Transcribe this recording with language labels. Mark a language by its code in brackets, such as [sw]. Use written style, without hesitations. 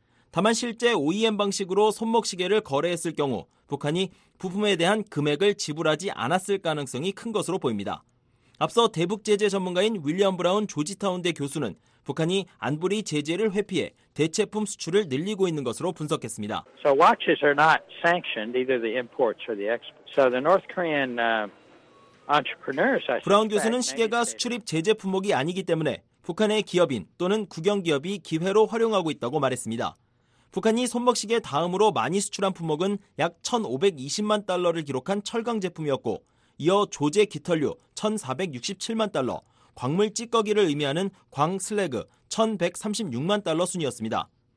[ko] 다만 실제 OEM 방식으로 손목시계를 거래했을 경우 북한이 부품에 대한 금액을 지불하지 않았을 가능성이 큰 것으로 보입니다. 앞서 대북 제재 전문가인 윌리엄 브라운 조지타운대 교수는 북한이 안보리 제재를 회피해 대체품 수출을 늘리고 있는 것으로 분석했습니다. [en] So watches are not sanctioned either the imports or the exports. So the North Korean entrepreneurs. [ko] 브라운 교수는 시계가 수출입 제재 품목이 아니기 때문에 북한의 기업인 또는 국영 기업이 기회로 활용하고 있다고 말했습니다. 북한이 손목시계 다음으로 많이 수출한 품목은 약 1,520만 달러를 기록한 철강 제품이었고 이어 조제 깃털류 1,467만 달러, 광물 찌꺼기를 의미하는 광 슬래그 1,136만 달러 순이었습니다.